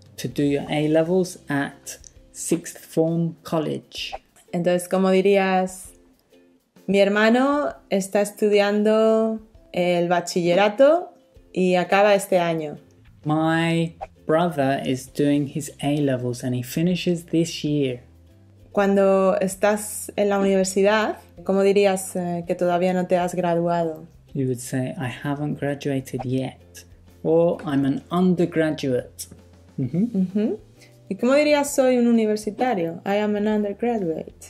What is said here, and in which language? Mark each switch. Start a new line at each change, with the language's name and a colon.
English: To do your A-levels at sixth form college.
Spanish: Entonces, ¿cómo dirías? Mi hermano está estudiando el bachillerato y acaba este año.
English: My brother is doing his A-levels and he finishes this year.
Spanish: Cuando estás en la universidad, ¿cómo dirías que todavía no te has graduado?
English: You would say, I haven't graduated yet. Or, I'm an undergraduate.
Spanish: Mm-hmm. Mm-hmm. ¿Y cómo dirías soy un universitario?
English: I am an undergraduate.